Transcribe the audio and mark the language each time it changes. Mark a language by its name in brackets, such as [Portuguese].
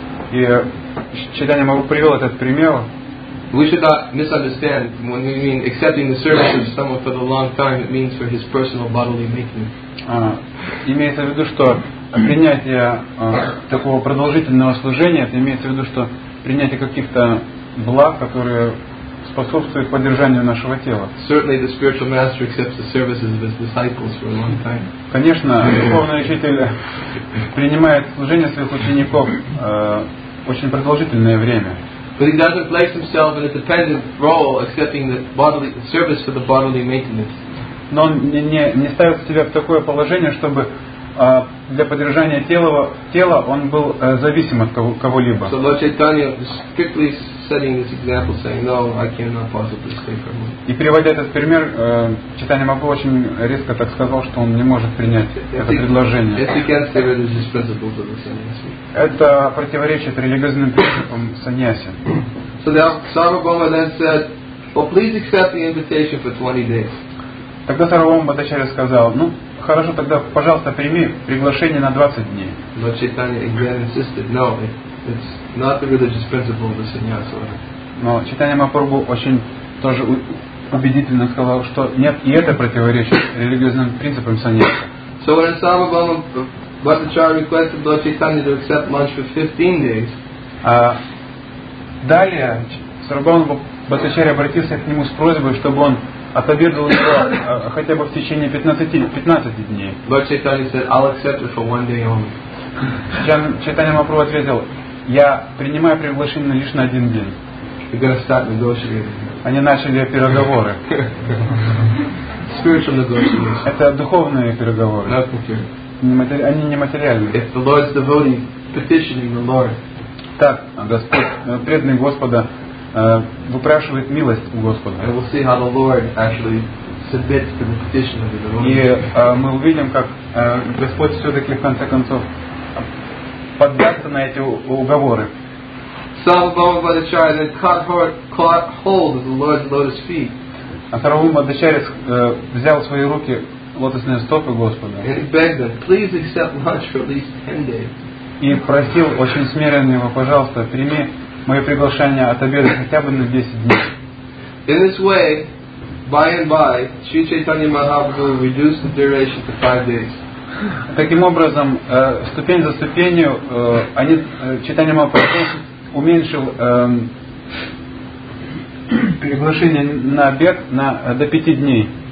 [Russian] И Чайтанья Махапрабху привел этот пример. [English] We should not misunderstand when we mean accepting the service of someone for the long time. It means for his personal bodily making. [Russian] Имеется в виду, что принятие такого продолжительного служения, это имеется в виду, что принятие каких-то благ, которые способствуют поддержанию нашего тела. [English] Certainly the spiritual master accepts the services of his disciples for a long time. [Russian] Конечно, духовный учитель принимает служение своих учеников очень продолжительное время. [English] But he doesn't place himself in a dependent role, accepting the bodily service for the bodily maintenance. [Russian] Но он не ставит себя в такое положение, чтобы для поддержания тела он был зависим от кого-либо. [English] So Lord Chaitanya is strictly setting this example, saying, "No, I cannot possibly stay for money." [Russian] И приводя этот пример, Чайтанья Махапрабху очень резко так сказал, что он не может принять это предложение. [English] It's against the religious principles of the sannyasi. [Russian] Это противоречит религиозным принципам саньяси. [English] So the Sarvabhauma then said, "Well, please accept the invitation for 20 days." [Russian] Тогда Сарвабхаума Бхаттачарья сказал, ну, хорошо, тогда, пожалуйста, прими приглашение на 20 дней. Но [English] Чайтанья again insisted, no, it's not the religious principle of the sannyasa order. [Russian] Но Чайтанья Махапрабху очень тоже убедительно сказал, что нет, и это противоречит религиозным принципам саньяса. [English] So when Сарвабхаума Бхаттачарья requested Lord Chaitanya to accept lunch for 15 days, [Russian] далее Сарвабхаума Бхаттачарья обратился к нему с просьбой, чтобы он отобедал его хотя бы в течение 15 дней. [English] Lord Chaitanya said, I'll accept it for one day only. [Russian] Чайтанья Махапрабху ответил, я принимаю приглашение лишь на один день. [English] You're gonna start negotiating. [Russian] Они начали переговоры. [English] Spiritual negotiations. [Russian] Это духовные переговоры. [English] Not material. [Russian] Они не материальные. [English] If the Lord's devotee petitioning the Lord. [Russian] Так, Господь, преданный Господа, выпрашивает милость у Господа. [English] And we'll see how the Lord actually submits to the petition of the devotee. [Russian] И мы увидим, как Господь все-таки в конце концов поддастся на эти уговоры. [English] Sarvabhauma Bhattacharya then caught hold of the Lord's lotus feet. [Russian] А Сарвабхаума Бхаттачарья взял свои руки лотосные стопы Господа. [English] And he begged them, please accept lunch for at least 10 days. [Russian] И просил очень смиренно его, пожалуйста, прими мое приглашение от обеда хотя бы на 10 дней. [English] In this way, by and by, Sri Chaitanya Mahaprabhu reduced the duration to 5 days. [Russian] Таким образом, ступень за ступенью, Чайтанья Махапрабху уменьшил приглашение на обед до 5 дней.